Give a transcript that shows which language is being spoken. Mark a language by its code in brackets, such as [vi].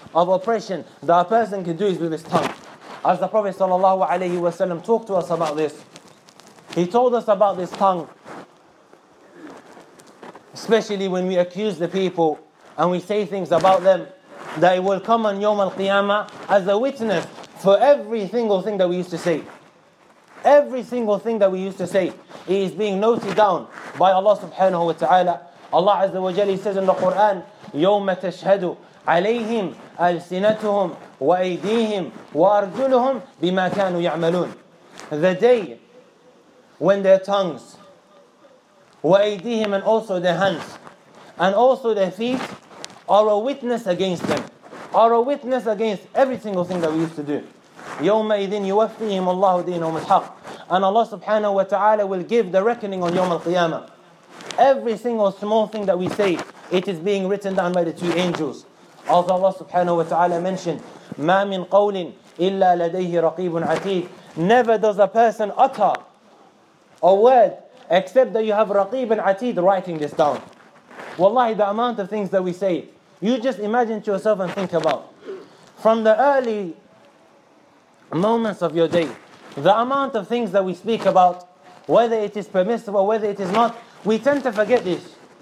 [en] of oppression that a person can do is with his tongue. As the Prophet sallallahu alayhi wa sallam talked to us about this, he told us about this tongue, especially when we accuse the people and we say things about them, that it will come on Yawm al-Qiyamah as a witness for every single thing that we used to say. Every single thing that we used to say is being noted down by Allah subhanahu wa ta'ala. [ar] Allah Azza wa Jalla says in the Quran, يَوْمَ تَشْهَدُ عَلَيْهِمْ أَلْسِنَتُهُمْ وَأَيْدِيهِمْ وَأَرْجُلُهُمْ بِمَا كَانُوا يَعْمَلُونَ. [en] The day when their tongues, وَأَيْدِيهِمْ, and also their hands, and also their feet, are a witness against them, are a witness against every single thing that we used to do. يَوْمَئِذٍ يُوَفِّيهِمُ اللَّهُ دِينَهُمُ الْحَقِّ. And Allah subhanahu wa ta'ala will give the reckoning on Yawm al-Qiyamah. Every single small thing that we say, it is being written down by the two angels. [ar] As Allah subhanahu wa ta'ala mentioned, مَا مِنْ قَوْلٍ إِلَّا لَدَيْهِ رَقِيبٌ عَتِيدٌ. [en] Never does a person utter a word except that you have raqeeb and atid writing this down. Wallahi, the amount of things that we say, you just imagine to yourself and think about. From the early moments of your day, the amount of things that we speak about, whether it is permissible, whether it is not, we tend to forget this.